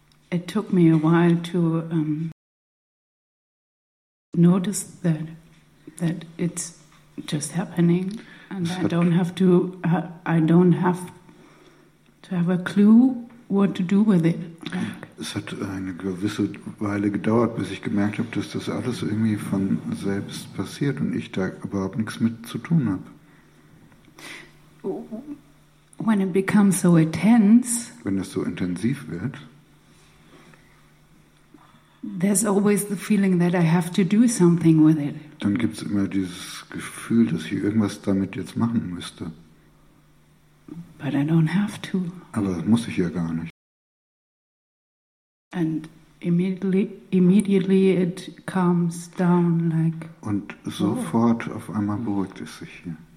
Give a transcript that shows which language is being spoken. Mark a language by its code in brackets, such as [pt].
[en] It took me a while to notice that it's just happening. And I don't have to have a clue what to do with it. [de] Es hat eine gewisse Weile gedauert, bis ich gemerkt habe, dass das alles irgendwie von selbst passiert und ich da überhaupt nichts mit zu tun habe. [en] When it becomes so intense, [de] wenn es so intensiv wird, [en] there's always the feeling that I have to do something with it. [de] Dann gibt's immer dieses Gefühl, dass ich irgendwas damit jetzt machen müsste. [en] But I don't have to. [de] Aber muss ich ja gar nicht. [en] And immediately it calms down like. [de] Und sofort auf einmal beruhigt es sich hier.